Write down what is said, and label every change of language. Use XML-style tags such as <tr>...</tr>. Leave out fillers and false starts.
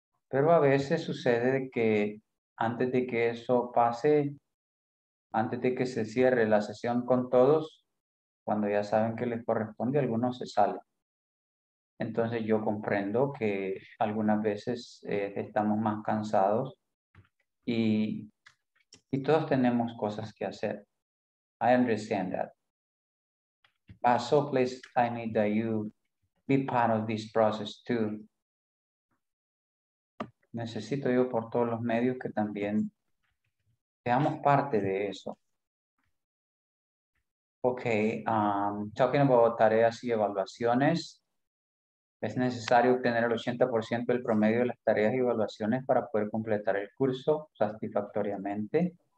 <es>Pero a veces sucede que antes de que eso pase, antes de que se cierre la sesión con todos, cuando ya saben que les corresponde, algunos se salen. Entonces yo comprendo que algunas veces estamos más cansados y todos tenemos cosas que hacer.</es> <en>I understand that. So please, I need that you be part of this process too.</en> <es>Necesito yo por todos los medios que también seamos parte de eso.</es> <en>Okay, talking about</en> <es>tareas y evaluaciones. Es necesario obtener el 80% del promedio de las tareas y evaluaciones para poder completar el curso satisfactoriamente.</es>